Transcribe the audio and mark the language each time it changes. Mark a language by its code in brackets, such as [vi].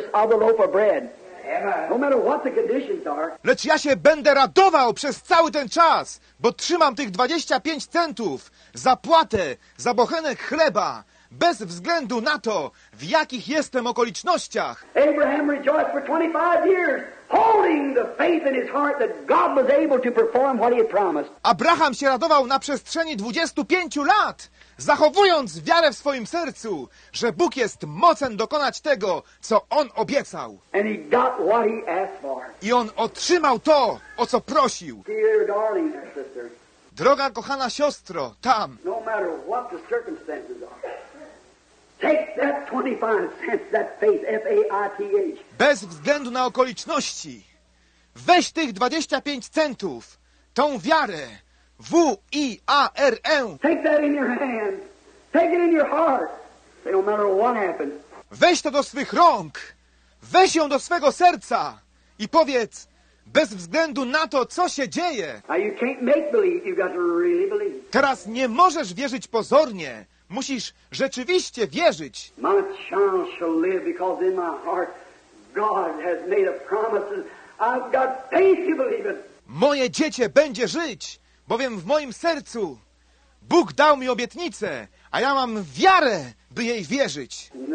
[en] No matter what the conditions are. [pl] Lecz ja się będę radował przez cały ten czas, bo trzymam tych 25 centów zapłatę za bochenek chleba, bez względu na to, w jakich jestem okolicznościach. [en] Abraham rejoiced for 25 years, holding the faith in his heart that God was able to perform what he had promised. [pl] Abraham się radował na przestrzeni 25 lat, zachowując wiarę w swoim sercu, że Bóg jest mocen dokonać tego, co on obiecał. [en] And he got what he asked for. [pl] I on otrzymał to, o co prosił. [en] Dear darling, sister, [pl] droga kochana siostro, tam. [en] No matter what the circumstances are, take that 25 cents, that faith, F-A-I-T-H. [pl] Bez względu na okoliczności, weź tych 25 centów, tą wiarę. W-I-A-R-E. [en] Take that in your hand. Take it in your heart. Say, no matter what happens. [pl] Weź to do swych rąk. Weź ją do swego serca. I powiedz, bez względu na to, co się dzieje. [en] Now you can't make believe. You've got to really believe. [pl] Teraz nie możesz wierzyć pozornie. Musisz rzeczywiście wierzyć. [en] My child shall live because in my heart God has made a promise. I've got faith to believe it. [pl] Moje dziecię będzie żyć, bowiem w moim sercu Bóg dał mi obietnicę, a ja mam wiarę, by jej wierzyć.